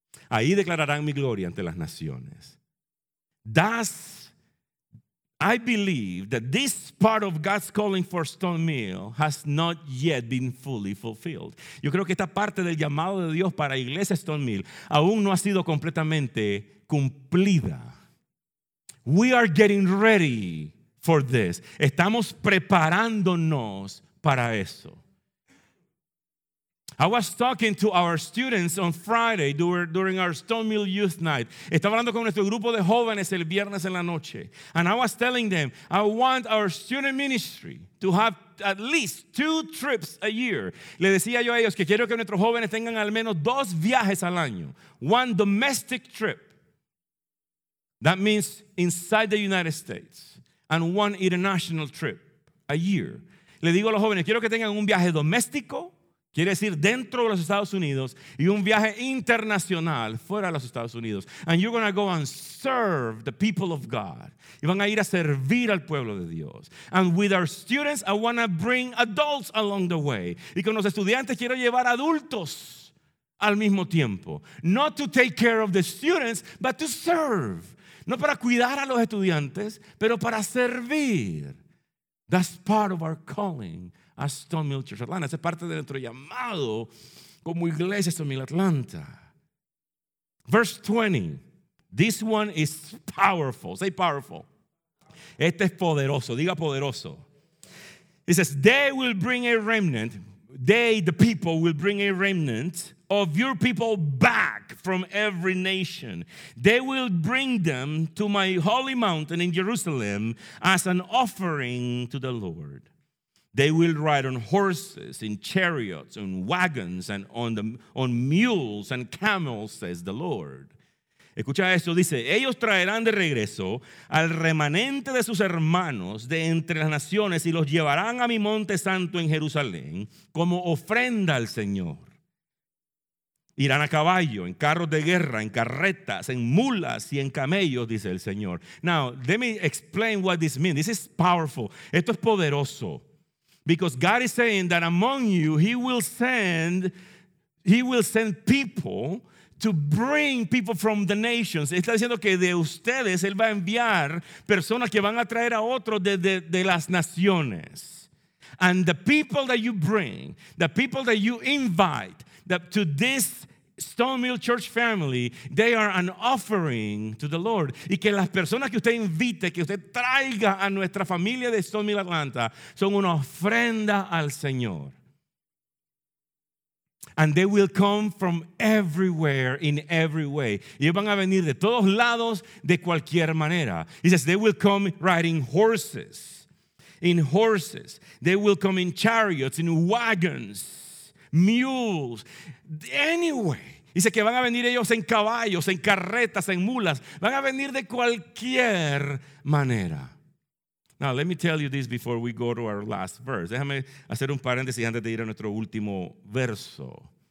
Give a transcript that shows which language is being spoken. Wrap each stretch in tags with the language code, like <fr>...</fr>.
<es>Ahí declararán mi gloria ante las naciones.</es> <en>Thus, I believe that this part of God's calling for Stone Mill has not yet been fully fulfilled.</en> <es>Yo creo que esta parte del llamado de Dios para Iglesia Stone Mill aún no ha sido completamente cumplida.</es> <en>We are getting ready for this.</en> <es>Estamos preparándonos para eso.</es> <en>I was talking to our students on Friday during our Stone Mill Youth Night.</en> <es>Estaba hablando con nuestro grupo de jóvenes el viernes en la noche.</es> <en>And I was telling them, I want our student ministry to have at least 2 trips a year.</en> <es>Le decía yo a ellos que quiero que nuestros jóvenes tengan al menos 2 viajes al año.</es> <en>1 domestic trip. That means inside the United States. And 1 international trip a year.</en> <es>Le digo a los jóvenes, quiero que tengan un viaje doméstico, quiere decir dentro de los Estados Unidos, y un viaje internacional fuera de los Estados Unidos.</es> <en>And you're going to go and serve the people of God.</en> <es>Y van a ir a servir al pueblo de Dios.</es> <en>And with our students, I want to bring adults along the way.</en> <es>Y con los estudiantes quiero llevar adultos al mismo tiempo.</es> <en>Not to take care of the students, but to serve.</en> <es>No para cuidar a los estudiantes, pero para servir.</es> <en>That's part of our calling. A Stone Mill Church Atlanta.</en> <es>Esa es parte de nuestro llamado como iglesia Stone Mill Atlanta.</es> <en>Verse 20. This one is powerful. Say powerful.</en> <es>Este es poderoso. Diga poderoso.</es> <en>It says, they will bring a remnant. They, the people, will bring a remnant of your people back from every nation. They will bring them to my holy mountain in Jerusalem as an offering to the Lord. They will ride on horses, in chariots, on wagons, and on mules and camels, says the Lord.</en> <es>Escucha esto, dice, ellos traerán de regreso al remanente de sus hermanos de entre las naciones y los llevarán a mi monte santo en Jerusalén como ofrenda al Señor. Irán a caballo, en carros de guerra, en carretas, en mulas y en camellos, dice el Señor.</es> <en>Now, let me explain what this means. This is powerful.</en> <es>Esto es poderoso.</es> <en>Because God is saying that among you, he will send people to bring people from the nations.</en> <es>Está diciendo que de ustedes, él va a enviar personas que van a traer a otros de las naciones.</es> <en>And the people that you bring, the people that you invite to this Stone Mill Church family, they are an offering to the Lord.</en> <es>Y que las personas que usted invite, que usted traiga a nuestra familia de Stone Mill Atlanta, son una ofrenda al Señor.</es> <en>And they will come from everywhere, in every way.</en> <es>Y ellos van a venir de todos lados, de cualquier manera.</es> <en>He says, they will come riding horses. In horses. They will come in chariots, in wagons. Mules, anyway.</en> <es>Dice que van a venir ellos en caballos, en carretas, en mulas. Van a venir de cualquier manera.</es> <en>Now, let me tell you this before we go to our last verse.</en> <es>Déjame hacer un paréntesis antes de ir a nuestro último verso.</es>